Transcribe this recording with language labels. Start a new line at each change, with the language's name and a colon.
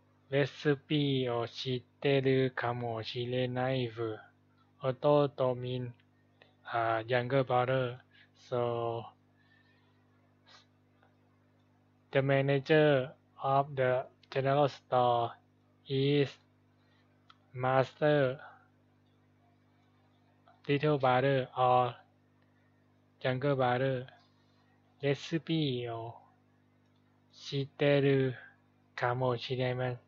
Japanese: レシピを知ってるかもしれないぶ。
English: 弟 mean younger brother. So the manager of the general store is master little brother or younger brother.
Japanese: レシピを知ってるかもしれません。